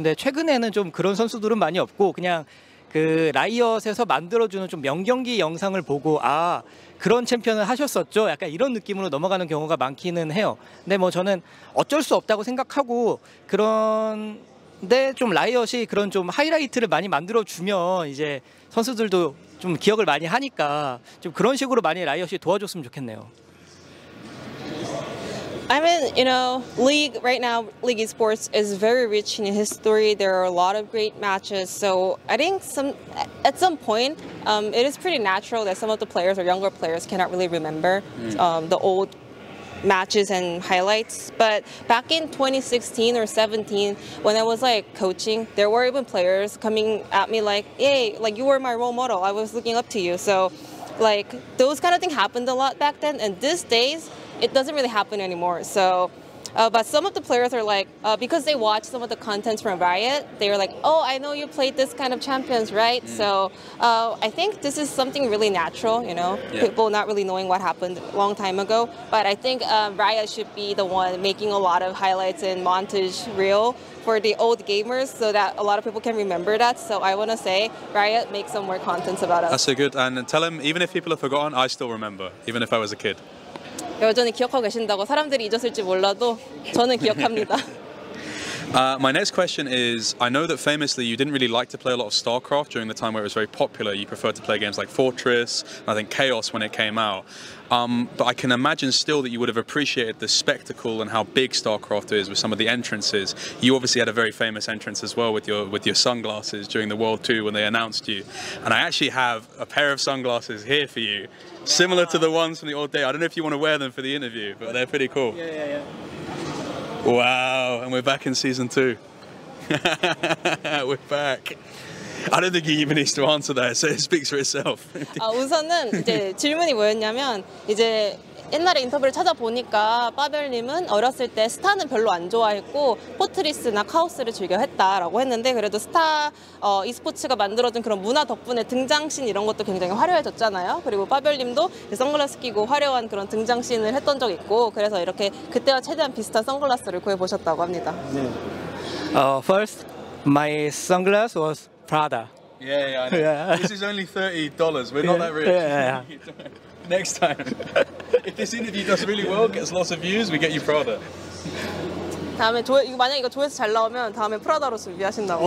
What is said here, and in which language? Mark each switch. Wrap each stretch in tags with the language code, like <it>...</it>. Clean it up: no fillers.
<ko>근데 최근에는 좀 그런 선수들은 많이 없고 그냥 그 라이엇에서 만들어주는 좀 명경기 영상을 보고 아 그런 챔피언을 하셨었죠 약간 이런 느낌으로 넘어가는 경우가 많기는 해요. 근데 뭐 저는 어쩔 수 없다고 생각하고 그런데 좀 라이엇이 그런 좀 하이라이트를 많이 만들어주면 이제 선수들도 좀 기억을 많이 하니까 좀 그런 식으로 많이 라이엇이 도와줬으면 좋겠네요.</ko> <en>I mean, you know, League right now, League Esports is very rich in history. There are a lot of great matches. So I think at some point, it is pretty natural that some of the players or younger players cannot really remember the old matches and highlights. But back in 2016 or 17, when I was like coaching, there were even players coming at me like, hey, like you were my role model. I was looking up to you. So like those kind of things happened a lot back then. And these days, it doesn't really happen anymore. So, but some of the players are like, because they watch some of the contents from Riot, they are like, oh, I know you played this kind of champions, right? Mm. So I think this is something really natural, you know, yeah. People not really knowing what happened a long time ago. But I think Riot should be the one making a lot of highlights and montage real for the old gamers so that a lot of people can remember that. So I want to say, Riot, make some more contents about us. That's so good. And tell him, even if people have forgotten, I still remember, even if I was a kid. 여전히 기억하고 계신다고 사람들이 잊었을지 몰라도 저는 기억합니다. My next question is, I know that famously you didn't really like to play a lot of StarCraft during the time where it was very popular. You preferred to play games like Fortress, and I think Chaos when it came out. But I can imagine still that you would have appreciated the spectacle and how big StarCraft is with some of the entrances. You obviously had a very famous entrance as well with your sunglasses during the World 2 when they announced you. And I actually have a pair of sunglasses here for you, similar to the ones from the old day. I don't know if you want to wear them for the interview, but they're pretty cool. Wow, and we're back in season 2. We're back. I don't think he even needs to answer that. So it speaks for itself.</en> <ko>아, 우선은 이제 질문이 뭐였냐면 이제 옛날에 인터뷰를 찾아보니까 파벨님은 어렸을 때 스타는 별로 안 좋아했고 포트리스나 카오스를 즐겨 했다라고 했는데 그래도 스타 e스포츠가 만들어준 그런 문화 덕분에 등장씬 이런 것도 굉장히 화려해졌잖아요. 그리고 파벨님도 선글라스 끼고 화려한 그런 등장씬을 했던 적 있고 그래서 이렇게 그때와 최대한 비슷한 선글라스를 구해보셨다고 합니다.</ko> <en>네. First, my sunglasses was Prada. Yeah, I know. This is only $30. We're not that rich. Yeah. Next time, if this interview does really well, gets lots of views, we get you Prada.</en> <ko>다음에 조회 이거 만약 이거 조회수 잘 나오면 다음에 프라다로 준비하신다고.</ko>